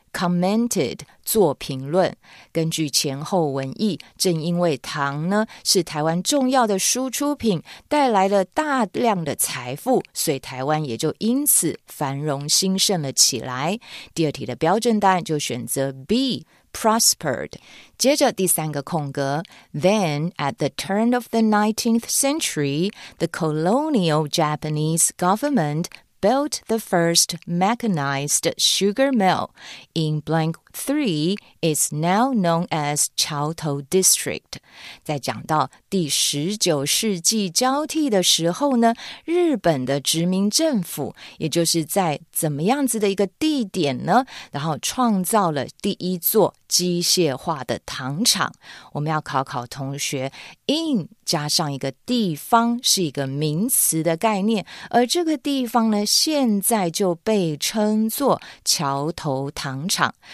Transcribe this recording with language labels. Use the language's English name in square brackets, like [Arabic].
[Chinese] commented 做评论。根据前后文意，正因为糖呢是台湾重要的输出品，带来了大量的财富，所以台湾也就因此繁荣兴盛了起来。第二题的标准答案就选择 B。 [English] Prospered. [Chinese] 接着第三个空格 [English] Then, at the turn of the 19th century, the colonial Japanese government built the first mechanized sugar mill in blank 3 is now known as Chiao Tou District. [Chinese] 在讲到第19世纪交替的时候呢，日本的殖民政府也就是在怎么样子的一个地点呢，然后创造了第一座机械化的糖厂。我们要考考同学 in 加上一个地方是一个名词的概念，而这个地方呢现在就被称作桥头糖厂。